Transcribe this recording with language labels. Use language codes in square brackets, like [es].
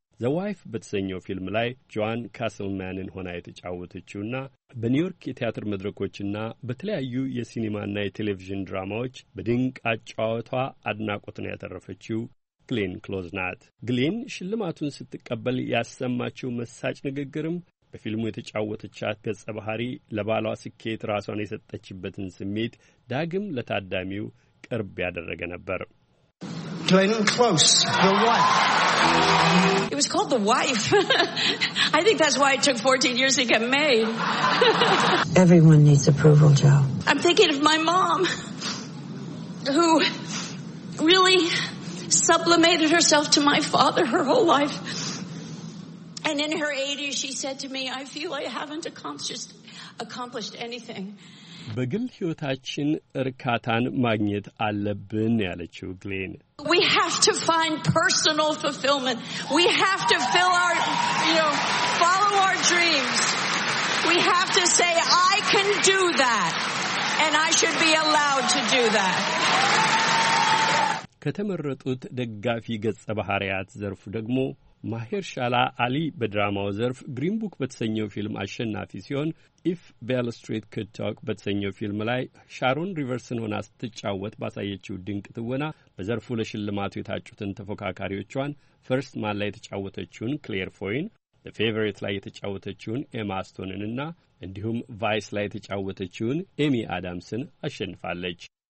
[am] ዘ ዋይፍ በተሰኘው ፊልም ላይ ጆን ካስልማንን ሆና የተጫወተችውና በኒውዮርክ የቲያትር መድረኮችና በተለያዩ የሲኒማና የቴሌቪዥን ድራማዎች በድንቅ አጫዋቷ አድናቆትን ያተረፈችው ግሌን ክሎዝ ናት። ግሌን ሽልማቱን ስትቀበል ያሰማችው መሳጭ ንግግርም በፊልሙ የተጫወተቻት ገጸ ባህሪ ለባሏ ስኬት ራሷን የሰጠችበትን ስሜት ዳግም ለታዳሚው ቅርብ ያደረገ ነበር። [en] Glenn Close, The Wife. It was called The Wife. I think that's why it took 14 years to get made. Everyone needs approval, Joe. I'm thinking of my mom, who really sublimated herself to my father her whole life. And in her 80s, she said to me, I feel I haven't accomplished anything. [am] በግል ህይወታችን እርካታን ማግኘት አለብን ያለችው ግሌን [en] We have to find personal fulfillment. We have to fill our, you know, follow our dreams. We have to say, I can do that. And I should be allowed to do that. [am] ከተመረጡት ደጋፊ ገጸ ባህሪያት ዘርፉ ደግሞ ማሄርሻላ አሊ በድራማው ዘርፍ ግሪን ቡክ በተሰኘው ፊልም አሸናፊ ሲሆን ኢፍ ቤል ስትሪት ኩድ ቶክ በተሰኘው ፊልም ላይ ሻሮን ሪቨርስን ሆና ስትጫወት ባሳየችው ድንቅ ትወና በዘርፉ ለሽልማቱ የታጩትን ተፎካካሪዎቿን ፈርስት ማን ላይ የተጫወተችውን ክሌር ፎይን፣ ፌቨሬት ላይ የተጫወተችውን ኤማ ስቶንንና እንዲሁም ቫይስ ላይ የተጫወተችውን ኤሚ አዳምስን አሸንፋለች።